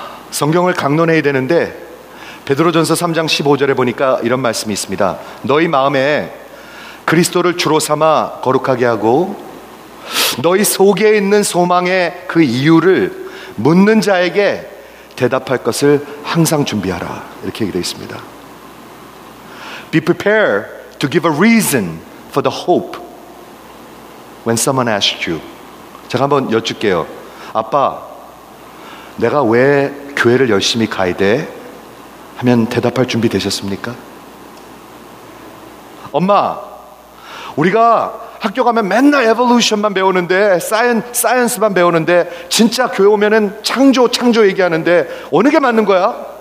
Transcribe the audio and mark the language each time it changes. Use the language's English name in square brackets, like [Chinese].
[Korean] 성경을 강론해야 되는데 베드로전서 3장 15절에 보니까 이런 말씀이 있습니다. 너희 마음에 그리스도를 주로 삼아 거룩하게 하고 너희 속에 있는 소망의 그 이유를 묻는 자에게 대답할 것을 항상 준비하라. 이렇게 얘기되어 있습니다. [English] Be prepared to give a reason for the hope when someone asks you. [Korean] 제가 한번 여쭐게요. 아빠, 내가 왜 교회를 열심히 가야 돼? 하면 대답할 준비 되셨습니까? 엄마, 우리가 학교 가면 맨날 에볼루션만 배우는데, 사이언스만 배우는데, 진짜 교회 오면은 창조 얘기하는데 어느 게 맞는 거야?